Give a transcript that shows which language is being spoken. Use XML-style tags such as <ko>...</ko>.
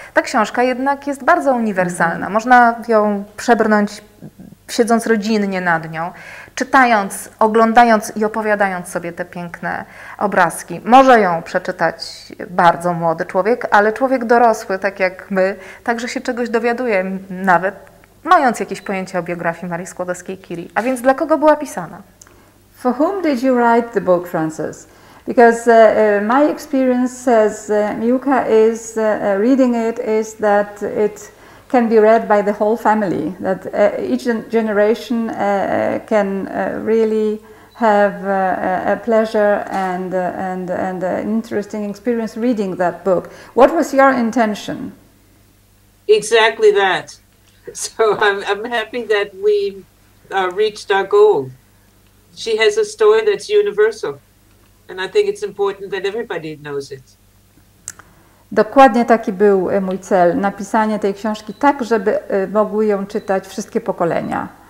<pl>Ta książka jednak jest bardzo uniwersalna. Można ją przebrnąć siedząc rodzinnie nad nią, czytając, oglądając i opowiadając sobie te piękne obrazki. Może ją przeczytać bardzo młody człowiek, ale człowiek dorosły, tak jak my, także się czegoś dowiaduje, nawet mając jakieś pojęcie o biografii Marii Skłodowskiej-Curie. A więc dla kogo była pisana?</pl> <en>For whom did you write the book, Frances? Because my experience says Miłka is reading it is that it can be read by the whole family, that each generation can really have a pleasure and an interesting experience reading that book. What was your intention? Exactly that. So I'm happy that we reached our goal. She has a story that's universal, and I think it's important that everybody knows it.</en> <pl>Dokładnie taki był mój cel, napisanie tej książki tak, żeby mogły ją czytać wszystkie pokolenia.</pl>